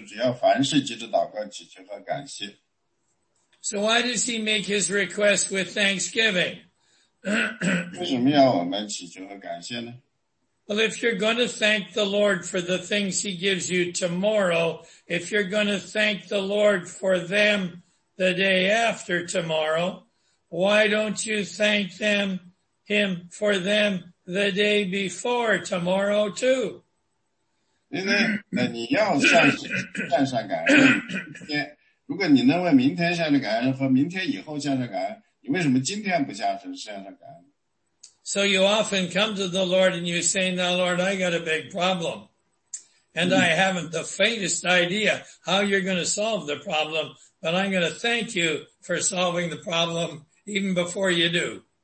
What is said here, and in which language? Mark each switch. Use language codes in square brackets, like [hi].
[zh] 所以基督徒在这些问题中该做些什么？第六节是只要凡事记得祷告、祈求和感谢。 [en] So why does he make his request with thanksgiving? [zh] 为什么要我们祈求和感谢呢？ [en] Well, if you're going to thank the Lord for the things he gives you tomorrow, if you're going to thank the Lord for them the day after tomorrow, why don't you thank him for them the day before tomorrow too? [zh] 因为你要向上感恩，如果你能为明天向上感恩和明天以后向上感恩，你为什么今天不向上感恩？ [en] So you often come to the Lord and you say, now Lord, I got a big problem. And I haven't the faintest idea how you're going to solve the problem, but I'm going to thank you for solving the problem even before you do.